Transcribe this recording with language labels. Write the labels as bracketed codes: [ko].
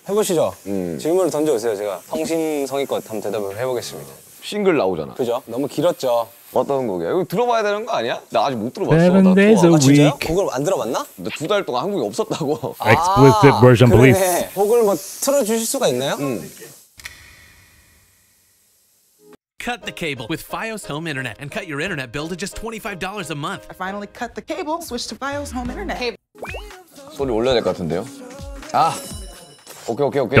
[ko] 해보시죠. 질문을 던져주세요. 제가 성심성의껏 한번 대답을 해보겠습니다. 싱글 나오잖아. 그죠? 너무 길었죠. 어떤 곡이야? 이거 들어봐야 되는 거 아니야? 나 아직 못 들어봤어. [en] Seven days a week. [ko] 곡을 안 들어봤나? 나 두 달 동안 한국에 없었다고. [en] Explicit version, please. [ko] 곡을 뭐 틀어주실 수가 있나요? [en] Cut the cable with Fios Home Internet and cut your internet bill to just $25 a month. I finally cut the cable, switched to Fios Home Internet. Cable. [ko] 소리 올려야 될 것 같은데요? 아, 오케이, 오케이, 오케이.